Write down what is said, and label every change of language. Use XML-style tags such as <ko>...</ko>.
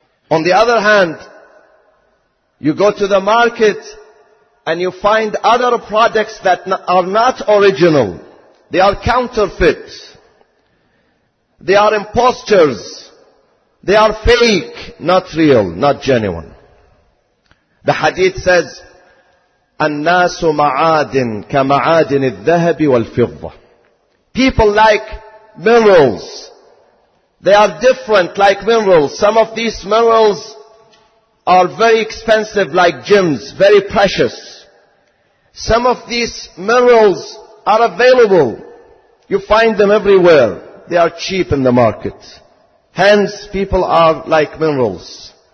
<en>On the other hand, you go to the market and you find other products that are not original. They are counterfeit. They are impostures. They are fake, not real, not genuine. The hadith says,</en> <ar>"النَّاسُ مَعَادٍ كَمَعَادٍ الذَّهَبِ وَالْفِضَّةِ."</ar> <en>People like minerals. They are different like minerals. Some of these minerals are very expensive like gems, very precious. Some of these minerals are available. You find them everywhere. They are cheap in the market. Hence, people are like minerals.</en>